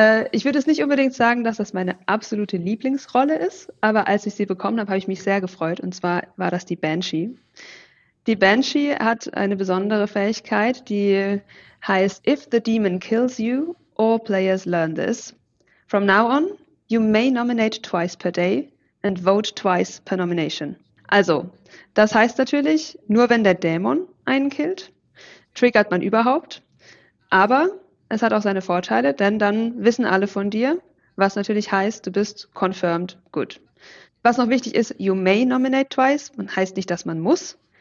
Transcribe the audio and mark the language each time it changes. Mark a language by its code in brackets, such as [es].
[de] Ich würde es nicht unbedingt sagen, dass das meine absolute Lieblingsrolle ist, aber als ich sie bekommen habe, habe ich mich sehr gefreut. Und zwar war das die Banshee. Die Banshee hat eine besondere Fähigkeit, die heißt, [en] if the demon kills you, all players learn this. From now on, you may nominate twice per day and vote twice per nomination. [de] Also, das heißt natürlich, nur wenn der Dämon einen killt, triggert man überhaupt. Aber es hat auch seine Vorteile, denn dann wissen alle von dir, was natürlich heißt, du bist [en] confirmed good. [de] Was noch wichtig ist, [en] you may nominate twice, [de] man heißt nicht, dass man muss.